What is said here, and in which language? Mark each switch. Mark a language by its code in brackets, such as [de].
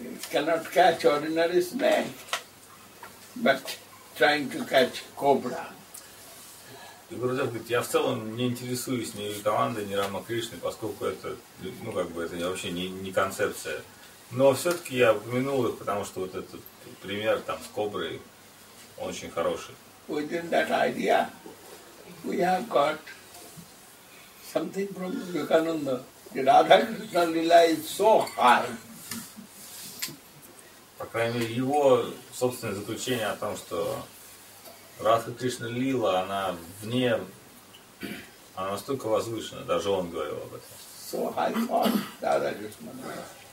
[en] Cannot catch ordinary snake, but trying to catch cobra. [ru] И Гурудев говорит, я в целом не интересуюсь ни Вивекананды, ни Рамакришной, поскольку это, ну как бы это вообще не концепция. Но все-таки я упомянул их, потому что вот этот пример там с коброй, он очень хороший. [en] Within that idea, we have got something from Vivekananda. Radha Krishna Lila is so hard. [ru] По крайней мере, его собственное заключение о том, что Радха Кришна Лила, она вне, она настолько возвышена, даже он говорил об этом. [en] So high form, Radha Krishna Lila.